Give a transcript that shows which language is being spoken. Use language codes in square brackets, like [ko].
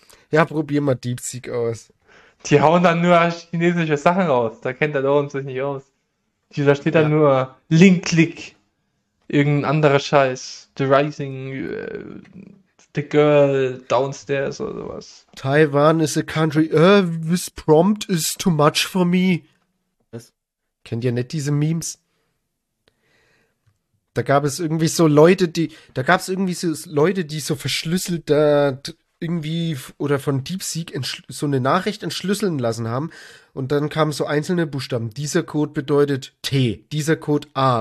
[de] Ja, probier mal DeepSeek aus. Die hauen dann nur chinesische Sachen raus. Da kennt der Lorenz sich nicht aus. Da steht dann nur Link-Click, irgendein anderer Scheiß, The Rising, The Girl, Downstairs oder sowas. [en] Taiwan is a country, this prompt is too much for me. [de] Was? Kennt ihr nicht diese Memes? Da gab es irgendwie so Leute, die so verschlüsselt da irgendwie oder von DeepSeek so eine Nachricht entschlüsseln lassen haben. Und dann kamen so einzelne Buchstaben. Dieser Code bedeutet T, dieser Code A.